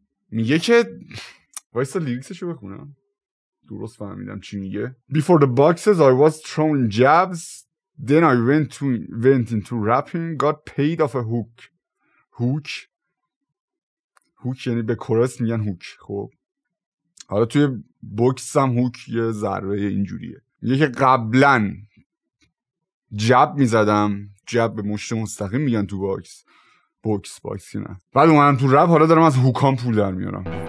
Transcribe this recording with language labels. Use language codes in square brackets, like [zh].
[fa] میگه که وایسا لیریکسشو بخونم درست فهمیدم چی میگه. [en] Before the boxes I was throwing jabs, then I went into rapping, got paid off a hook. [fa] هوک یعنی به کورس میگن هوک. خب حالا توی بوکس هم هوک یه ذره اینجوریه. میگه که قبلن جب میزدم، جب به مشت مستقیم میگن تو باکس، باکسی نه، بعد اومدم تو رپ، حالا دارم از هوکام پول در میارم.